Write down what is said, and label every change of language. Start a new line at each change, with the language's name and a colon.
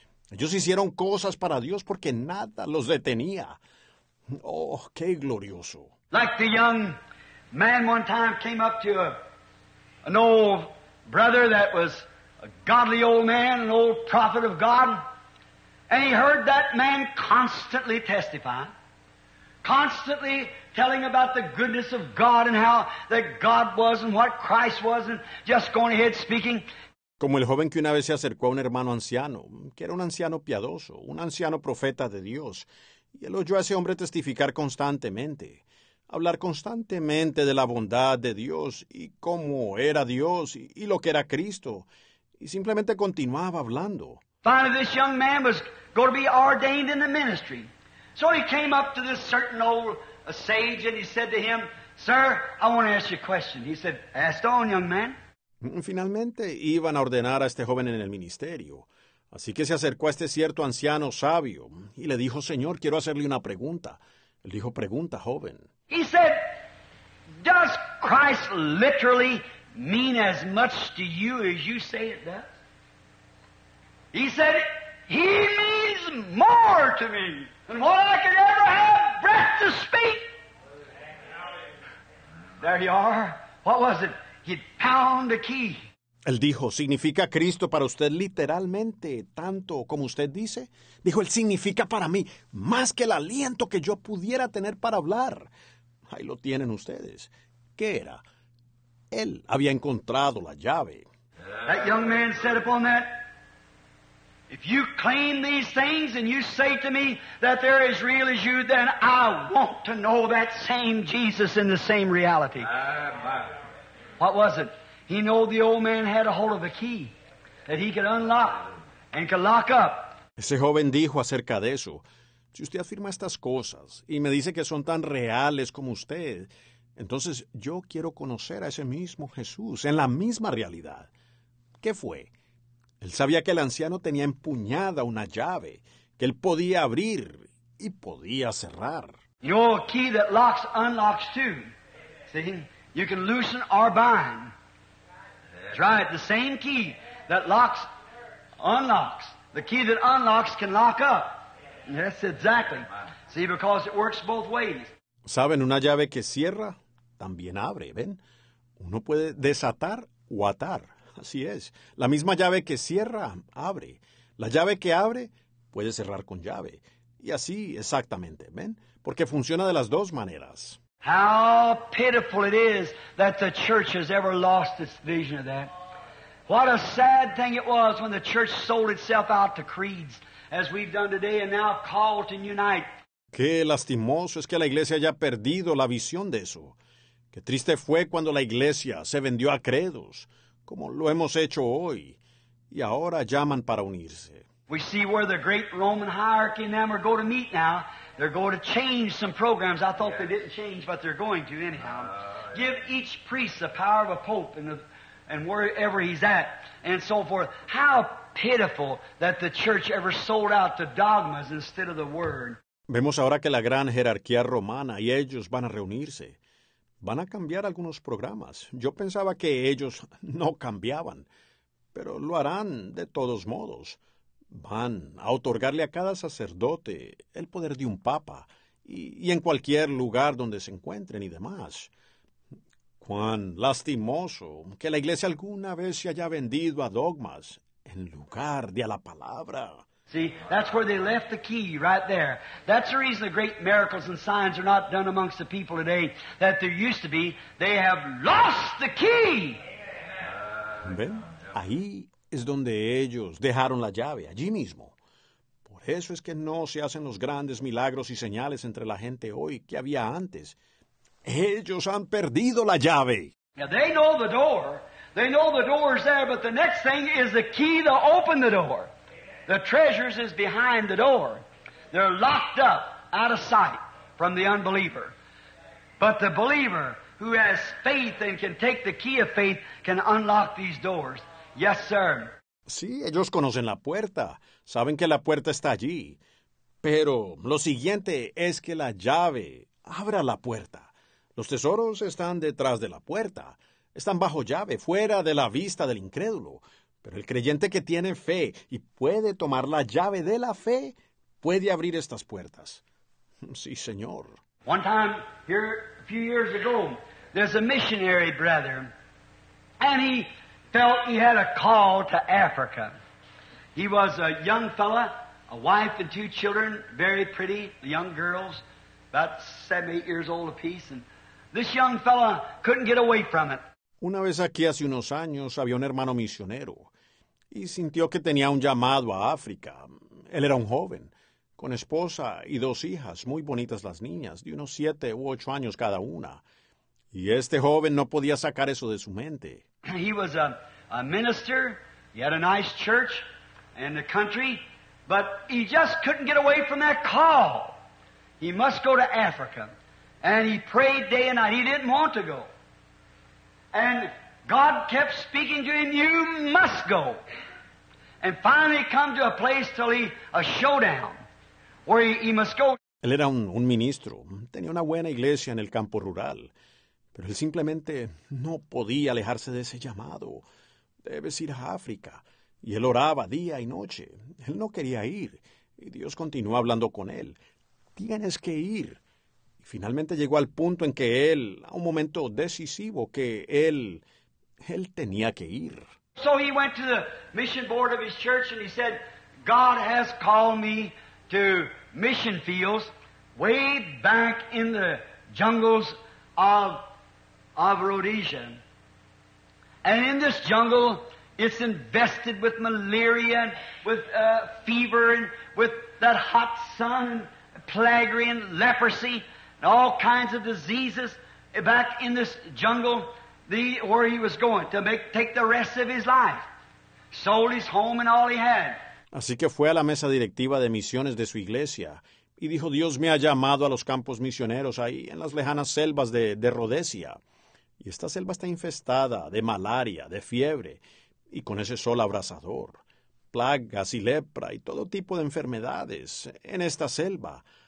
Spanish: Ellos hicieron cosas para Dios porque nada los detenía. Oh, qué glorioso.
English: Like the young man one time came up to an old brother that was a godly old man, an old prophet of God, and he heard that man constantly testify, constantly telling about the goodness of God and how that God was and what Christ was and just going ahead speaking.
Spanish: Como el joven que una vez se acercó a un hermano anciano, que era un anciano piadoso, un anciano profeta de Dios, y él oyó a ese hombre testificar constantemente, hablar constantemente de la bondad de Dios y cómo era Dios y lo que era Cristo, y simplemente continuaba hablando.
English: Finally, this young man was going to be ordained in the ministry. So he came up to this certain old sage and he said to him, sir, I want to ask you a question. He said, ask on, young man.
Spanish: Finalmente, iban a ordenar a este joven en el ministerio. Así que se acercó a este cierto anciano sabio y le dijo, Señor, quiero hacerle una pregunta. Él dijo, pregunta, joven.
English: He said, does Christ literally mean as much to you as you say it does? He said, he means more to me than what I could ever have breath to speak. There you are. What was it? He'd pound the key.
Spanish: Él dijo, ¿significa Cristo para usted literalmente tanto como usted dice? Dijo, él significa para mí más que el aliento que yo pudiera tener para hablar. Ahí lo tienen ustedes. ¿Qué era? Él había encontrado la llave.
English: That young man said upon that, if you claim these things and you say to me that they're as real as you, then I want to know that same Jesus in the same reality. What was it? He knew the old man had a hold of a key that he could unlock and could lock up.
Spanish: Ese joven dijo acerca de eso. Si usted afirma estas cosas y me dice que son tan reales como usted, entonces yo quiero conocer a ese mismo Jesús en la misma realidad. ¿Qué fue? Él sabía que el anciano tenía empuñada una llave, que él podía abrir y podía cerrar.
English: You know, a key that locks, unlocks too. See? You can loosen or bind. That's right. The same key that locks, unlocks. The key that unlocks can lock up. Yes, exactly. See, because it works both ways.
Spanish: ¿Saben? Una llave que cierra también abre, ¿ven? Uno puede desatar o atar. Así es. La misma llave que cierra, abre. La llave que abre, puede cerrar con llave. Y así exactamente, ¿ven? Porque funciona de las dos maneras.
English: How pitiful it is that the church has ever lost its vision of that. What a sad thing it was when the church sold itself out to creeds, as we've done today, and now call to unite.
Spanish: Qué lastimoso es que la iglesia haya perdido la visión de eso. Qué triste fue cuando la iglesia se vendió a credos, como lo hemos hecho hoy, y ahora llaman para unirse.
English: We see where the great Roman hierarchy and them are going to meet now. They're going to change some programs. I thought they didn't change, but they're going to anyhow. Give each priest the power of a pope and wherever he's at and so forth. How pitiful that the church ever sold out to dogmas instead of the word.
Spanish: Vemos ahora que la gran jerarquía romana y ellos van a reunirse. Van a cambiar algunos programas. Yo pensaba que ellos no cambiaban, pero lo harán de todos modos. Van a otorgarle a cada sacerdote el poder de un papa y en cualquier lugar donde se encuentren y demás. Cuán lastimoso que la iglesia alguna vez se haya vendido a dogmas en lugar de a la palabra.
English: See, that's where they left the key, right there. That's the reason the great miracles and signs are not done amongst the people today that there used to be. They have lost the key.
Spanish: ¿Ven? Ahí es donde ellos dejaron la llave, allí mismo. Por eso es que no se hacen los grandes milagros y señales entre la gente hoy que había antes. Ellos han perdido la llave.
English: Now they know the door. They know the door is there, but the next thing is the key to open the door. The treasures is behind the door. They're locked up, out of sight, from the unbeliever. But the believer who has faith and can take the key of faith can unlock these doors. Yes, sir.
Spanish: Sí, ellos conocen la puerta. Saben que la puerta está allí. Pero lo siguiente es que la llave abra la puerta. Los tesoros están detrás de la puerta. Están bajo llave, fuera de la vista del incrédulo. Pero el creyente que tiene fe y puede tomar la llave de la fe, puede abrir estas puertas. Sí, señor.
English: One time, here, a few years ago, there's a missionary brother, and he felt he had a call to Africa. He was a young fella, a wife and two children, very pretty, young girls, about 7, 8 years old apiece, and this young fella couldn't get away from it.
Spanish: Una vez aquí hace unos años había un hermano misionero y sintió que tenía un llamado a África. Él era un joven, con esposa y dos hijas, muy bonitas las niñas, de unos 7 u 8 años cada una. Y este joven no podía sacar eso de su mente.
English: He was a minister, he had a nice church and the country, but he just couldn't get away from that call. He must go to Africa. And he prayed day and night. He didn't want to go. And God kept speaking to him, you must go. And finally come to a place till he, a showdown, where he must go.
Spanish: Él era un ministro. Tenía una buena iglesia en el campo rural. Pero él simplemente no podía alejarse de ese llamado. Debes ir a África. Y él oraba día y noche. Él no quería ir. Y Dios continuó hablando con él. Tienes que ir. Finalmente llegó al punto en que él, a un momento decisivo, que él tenía que ir.
English: So he went to the mission board of his church and he said, God has called me to mission fields way back in the jungles of Rhodesia. And in this jungle, it's invested with malaria and with fever and with that hot sun, plaguey and leprosy. And all kinds of diseases back in this jungle, where he was going to take the rest of his life. Sold his home and all he had.
Spanish: Así que fue a la mesa directiva de misiones de su iglesia y dijo, Dios me ha llamado a los campos misioneros ahí en las lejanas selvas de Rhodesia. Y esta selva está infestada de malaria, de fiebre y con ese sol abrasador. Plagas y lepra y todo tipo de enfermedades en esta selva.